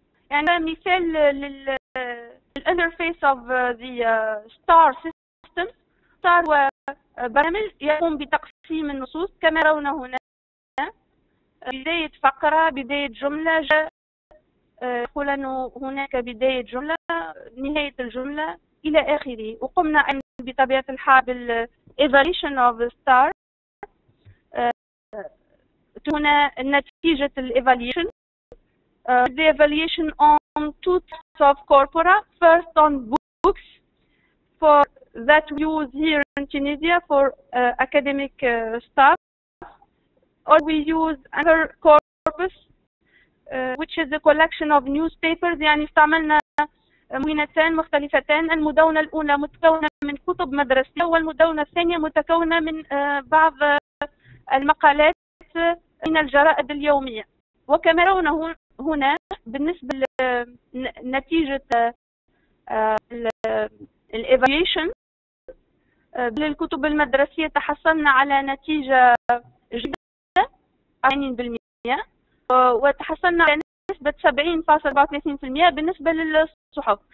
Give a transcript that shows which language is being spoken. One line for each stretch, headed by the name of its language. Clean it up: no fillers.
Arabic: يعني مثال للـ
English: interface of the star system،
Arabic: star برنامج يقوم بتقسيم النصوص كما رونا هنا، بداية فقرة، بداية جملة، يقول أنه هناك بداية جملة، نهاية الجملة إلى آخره. وقمنا بطبيعة الحال بال
English: evaluation of the star،
Arabic: هنا نتيجة ال evaluation.
English: The evaluation on two types of corpora. First, on books for that we use here in Tunisia for academic staff, or we use another corpus, which is a collection of newspapers.
Arabic: يعني استعملنا مدونتين مختلفتين، المدونة الأولى متكونة من كتب مدرسية، والمدونة الثانية متكونة من بعض المقالات من الجرائد اليومية. وكما رأونا هنا بالنسبة لنتيجة الـ evaluation للكتب المدرسية، تحصلنا على نتيجة جيدة 80%، وتحصلنا على نسبة 70.34% بالنسبة للصحف.